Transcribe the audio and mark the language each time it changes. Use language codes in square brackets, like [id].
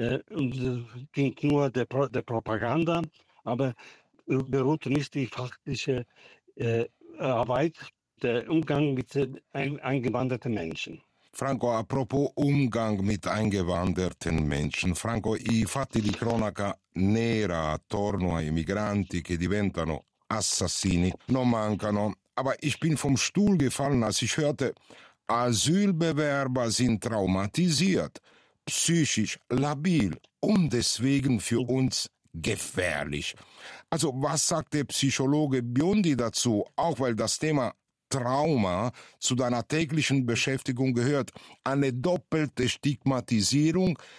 [de] Und dient nur der Propaganda, aber beruht nicht die faktische Arbeit, der Umgang mit eingewanderten Menschen. Franco, apropos Umgang mit eingewanderten Menschen. [it] Franco, i fatti di cronaca nera attorno ai migranti che diventano assassini non mancano. [de] Aber ich bin vom Stuhl gefallen, als ich hörte, Asylbewerber sind traumatisiert, psychisch labil und deswegen für uns gefährlich. Also was sagt der Psychologe Biondi dazu, auch weil das Thema Trauma zu deiner täglichen Beschäftigung gehört, eine doppelte Stigmatisierung?